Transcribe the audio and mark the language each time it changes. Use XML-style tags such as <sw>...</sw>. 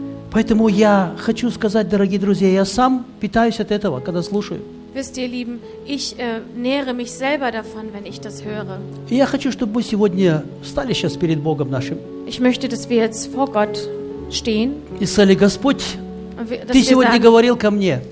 <ru>Поэтому я хочу сказать, дорогие друзья, я сам питаюсь от этого, когда слушаю.</ru> <de>Wisst ihr, Lieben, ich nähre mich selber davon, wenn ich das höre.</de> <ru>Я хочу, чтобы мы сегодня встали сейчас перед Богом нашим.</ru> <de>Ich möchte, dass wir jetzt vor Gott stehen.</de> <ru>И сказали: Господь, ты сегодня говорил ко мне.</ru>